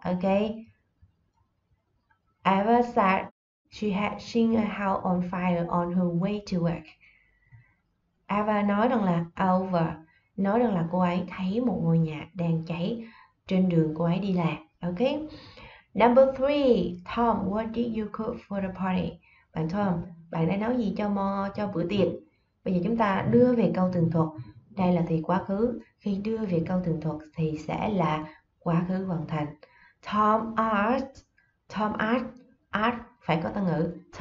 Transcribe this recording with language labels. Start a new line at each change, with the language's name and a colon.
English: Ok, Ava said she had seen a house on fire on her way to work.
Vietnamese: Ava nói rằng là over, nói rằng là cô ấy thấy một ngôi nhà đang cháy trên đường cô ấy đi làm. Ok.
English: Number 3, Tom, what did you cook for the party?
Vietnamese: Bạn Tom, bạn đã nấu gì cho bữa tiệc? Bây giờ chúng ta đưa về câu tường thuật. Đây là thì quá khứ. Khi đưa về câu tường thuật thì sẽ là quá khứ hoàn thành.
English: Tom asked,
Vietnamese: phải có tân ngữ.